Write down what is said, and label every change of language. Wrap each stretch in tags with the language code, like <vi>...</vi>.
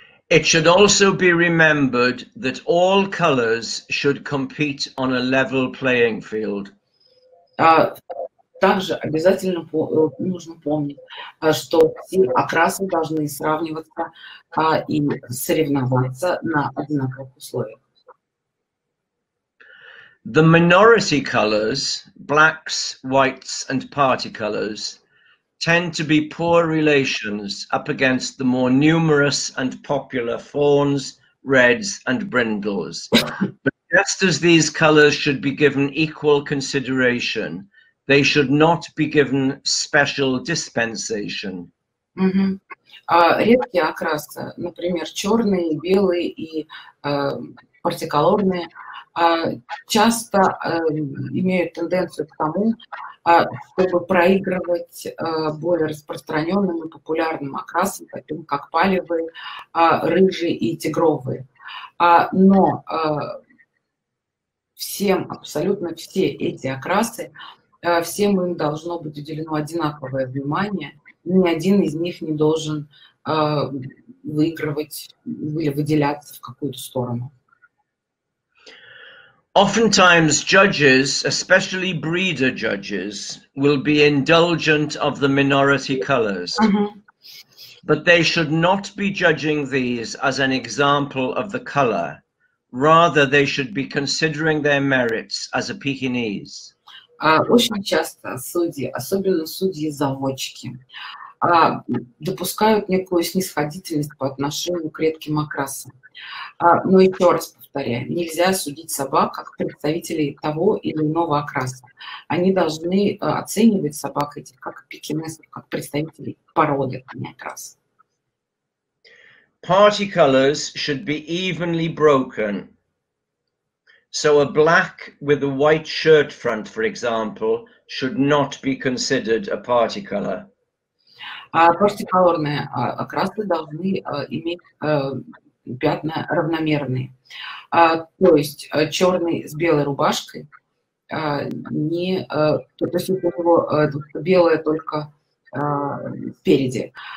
<en>It should also be remembered that all colors should compete on a level playing field.</en> <ru>Также обязательно нужно помнить, что все окрасы должны сравниваться и соревноваться на одинаковых условиях.</ru> <en>The minority colors, blacks, whites and party colors, tend to be poor relations up against the more numerous and popular fawns, reds and brindles. But just as these colors should be given equal consideration, they should not be given special dispensation.</en> <ru>Редкие окрасы, например, черные, белые и партиколорные, часто имеют тенденцию к тому, чтобы проигрывать более распространенным и популярным окрасам, таким как палевые, рыжие и тигровые. Но всем, абсолютно все эти окрасы всем им должно быть уделено одинаковое внимание, ни один из них не должен выигрывать или выделяться в какую-то сторону.</ru> <en>Oftentimes judges, especially breeder judges, will be indulgent of the minority colors. But they should not be judging these as an example of the color. Rather, they should be considering their merits as a Pekinese.</en> <ru>Очень часто судьи, особенно судьи-заводчики, допускают некую снисходительность по отношению к редким окрасам. Но еще раз повторяю, нельзя судить собак как представителей того или иного окраса. Они должны оценивать собак этих как пекинесов, как представителей породы, а не окраса.</ru> <en>Party colors should be evenly broken. So a black with a white shirt front, for example, should not be considered a party color.</en> <ru>Партиколорные окрасы должны иметь пятна равномерные. То есть черный с белой рубашкой то есть у него белое только впереди.</ru>